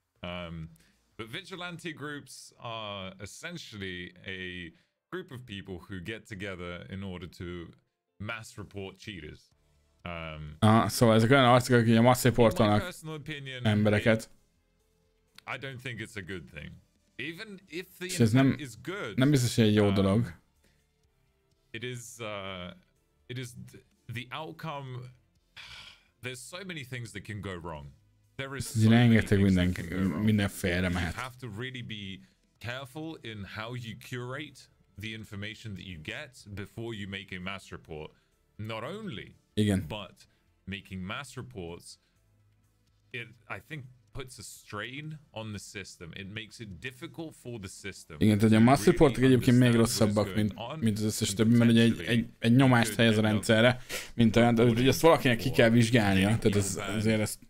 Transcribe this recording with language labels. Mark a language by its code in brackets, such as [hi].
[en] But vigilante groups are essentially a group of people who get together in order to mass report cheaters. [hu] So ez egy olyan arcok, akik mass reportolnak embereket. [en] I don't think it's a good thing. Even if the intent is good. [hu] Nem biztos, hogy egy jó dolog. [en] It is the outcome. There's so many things that can go wrong. Rengeteg minden félre mehet. You have to really be careful in how you curate the information that you get before you make a mass report. Not only, [hu] igen, [en] but making mass reports, it, I think, puts a strain on the system. It makes it difficult for the system. [hu] Igen, tehát a mass reportok egyébként még rosszabbak, mint az összes többi, mert ugye egy nyomást helyez a rendszerre, mint olyan, hogy ezt valakinek ki kell vizsgálnia, tehát azért ezt